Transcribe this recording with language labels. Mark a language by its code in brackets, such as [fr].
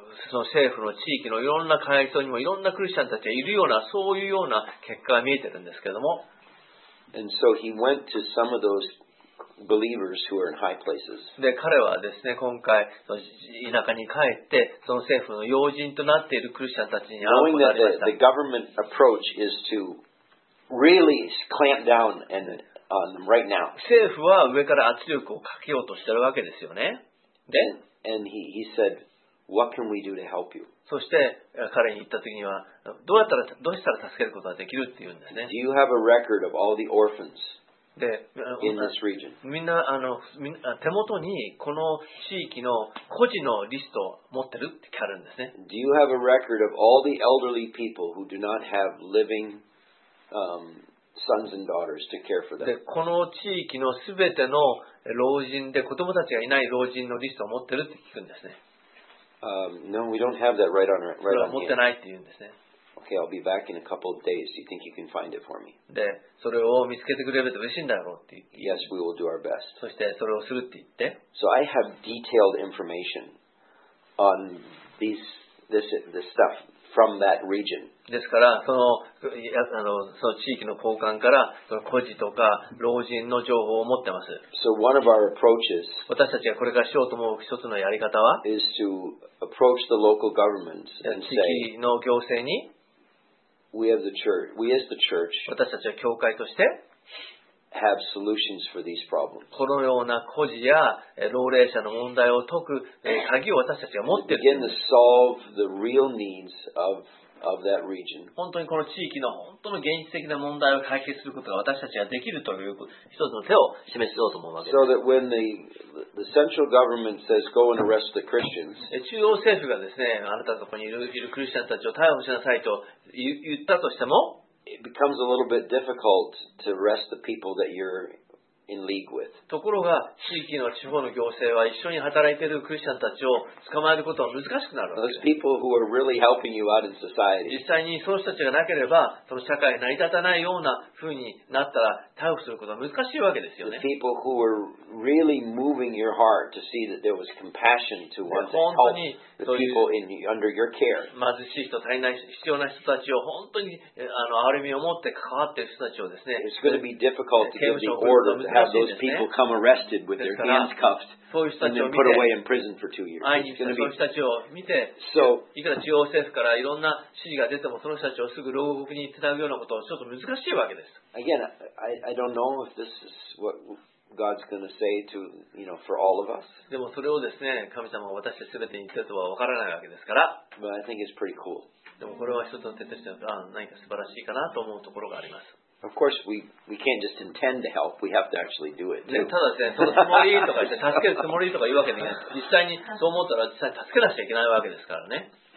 [ja] その政府の地域のいろんな階層にもいろんなクリスチャンたちがいるようなそういうような結果が見えてるんですけども。 [en] And so he went to some of those believers who are in high places. [ja] で彼はですね今回田舎に帰ってその政府の要人となっているクリスチャンたちに会うことがありました。 [en] Knowing that the government approach is to really clamp down and On them right、now. [ja] 政府は上から圧力をかけようとしているわけですよね。で、 [en] and he said, What can we do to help you? [ja] そして彼に言った時にはどうやったらどうしたら助けることができるって言うんですね。 [en] Do you have a record of all the orphans in this region? [ja] みんなあのみんな手元にこの地域の孤児のリストを持ってるって聞かれるんですね。 [en] Do you have a record of all the elderly people who do not have living、sons and daughters to care for them. [ja] で、この地域のすべての老人で子供たちがいない老人のリストを持ってるって聞くんですね。 [en] No, we don't have that right on right on hand. [ja] それは持ってないって言うんですね。 [en] Okay, I'll be back in a couple of days. Do you think you can find it for me? [ja] で、それを見つけてくれると嬉しいんだろうって言って。 [en] Yes, we will do our best. [ja] そしてそれをするって言って。 [en] So I have detailed information on this stuff. From that region. [ja] ですからその地域の高官から孤児とか老人の情報を持ってます。 [en] So、one of our approaches [ja] 私たちがこれからしようと思う一つのやり方は [en] is to approach the local government and say, [ja] 地域の行政に [en] we have the church, we as the church, [ja] 私たちは教会として [en] have solutions for these problems. [ja] このような孤児や老齢者の問題を解く鍵を私たちが持っている。 [en] Begin to solve the real needs of that region. [ja] 本当にこの地域の本当の現実的な問題を解決することが私たちができるという一つの手を示しようと思うわけです。 [en] So that when the central government says, "Go and arrest the Christians," [ja] 中央政府がですね、あなたとこにいるクリスチャンたちを逮捕しなさいと言ったとしても。 [en] It becomes a little bit difficult to arrest the people that you're in league with. [ja] ところが地域の地方の行政は一緒に働いているクリスチャンたちを捕まえることは難しくなるわけです。 [en] Those people who are really helping you out in society. [ja] 実際にその人たちがなければその社会成り立たないような風になったら逮捕することは難しいわけですよね。 [en] The people who were really moving your heart to see that there was compassion to want to help the people in under your care. [ja] 貧しい人、足りない人、必要な人たちを本当にあの憐れみを持って関わっている人たちをですね。 [en] It's going to be difficult to give the order to have those people come arrested with their hands cuffed and then put away in prison for 2 years. [ja] そういう人たちを見て、いくら中央政府からいろんな指示が出てもその人たちをすぐ牢獄につなぐようなことはちょっと難しいわけです。 [en] Again, I don't know if this is what God's going to say to, you know, for all of us. [ja] でもそれをですね、神様は私たち全てに言ってるとは分からないわけですから。 [en] But I think it's pretty cool. [ja] でもこれは一つの手として何か素晴らしいかなと思うところがあります。 [en] Of course, we can't just intend to help. We have to actually do it. [ja] ね、ただですね、そのつもりとかして助けるつもりとか言うわけでね、実際にそう思ったら実際助けなきゃいけないわけですからね。